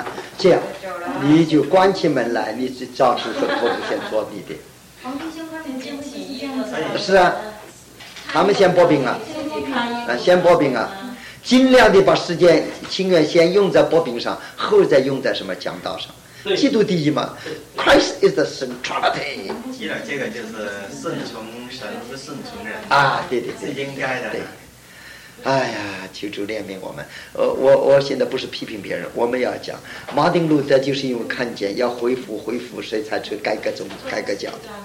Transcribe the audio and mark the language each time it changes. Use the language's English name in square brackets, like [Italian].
[Chinese] 啊，这样，你就关起门来，你去照顾说客户先做你的。黄金兄，他们先不是这样子。是啊，他们先薄饼啊。先薄饼啊，尽量的把时间情愿先用在薄饼上，后再用在什么讲道上。基督第一嘛 ， [English] Christ is the centrality。 [Chinese] 既然这个就是顺从神，不顺从人啊，对对对，是应该的。对，哎呀，求主怜悯我们。我现在不是批评别人，我们要讲马丁路德，就是因为看见要恢复，所以才出改革宗改革教的。